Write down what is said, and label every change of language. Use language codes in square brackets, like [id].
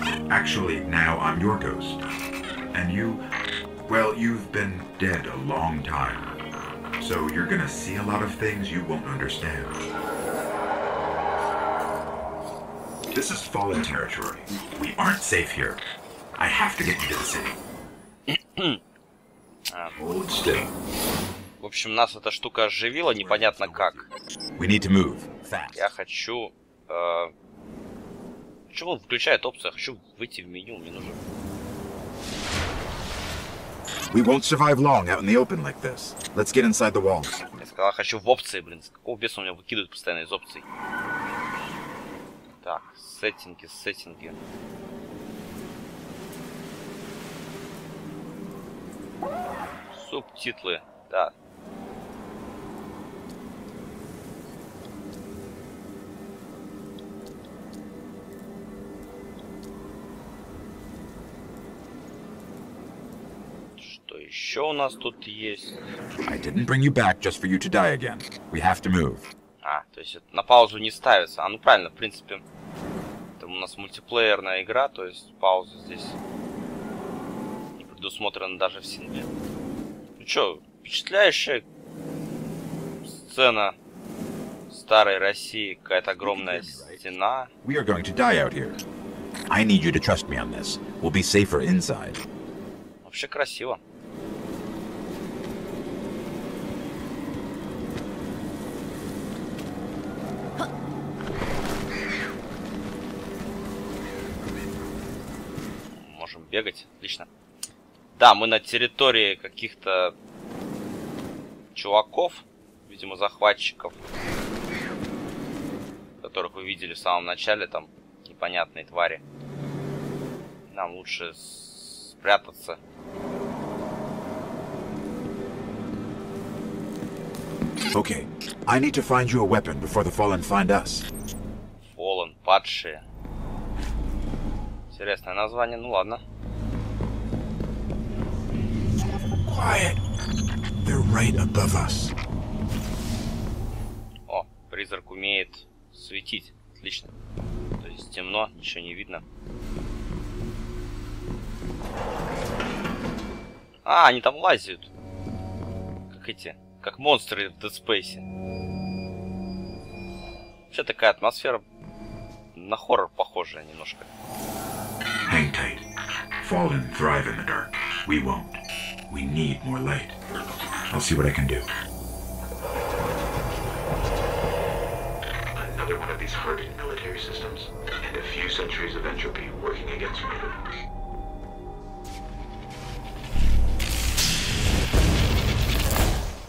[en] Actually, now I'm your ghost. And you, well, you've been dead a long time. So you're gonna see a lot of things you won't understand. This is fallen territory. We aren't safe here. I have to get you to the city. Hold still. [ru] В общем, нас эта штука оживила, непонятно как. [en] We need to move fast. [ru] Я хочу. Чего он включает опцию? Я хочу выйти в меню, мне нужно. [en] We won't survive long out in the open like this. Let's get inside the walls. [ru] Я сказал, хочу в опции, блин. С какого беса у меня выкидывают постоянно из опций? Так, сеттинги. Субтитлы, да. Что у нас тут есть? [en] I didn't bring you back just for you to die again. We have to move. [ru] А, то есть на паузу не ставится. А, ну правильно, в принципе. Там у нас мультиплеерная игра, то есть пауза здесь не предусмотрена даже в сингле. Ну что, впечатляющая сцена старой России, какая-то огромная стена. [en] We are going to die out here. I need you to trust me on this. We'll be safer inside. [ru] Вообще красиво. Бегать, отлично. Да, мы на территории каких-то чуваков, видимо, захватчиков, которых вы видели в самом начале, там непонятные твари. Нам лучше спрятаться. [en] Okay, I need to find you a weapon before the fallen find us. [ru] Fallen, падшие. Интересное название, ну ладно. [en] They're right above us. [ru] О, призрак умеет светить. Отлично. То есть темно, ничего не видно. А, они там лазят. Как эти? как монстры в Dead Space. Вся такая атмосфера на хоррор похожая немножко. [en] Hang tight. Fall and thrive in the dark. We won't. We need more light. I'll see what I can do. Another one of these hardened military systems, and a few centuries of entropy working against me.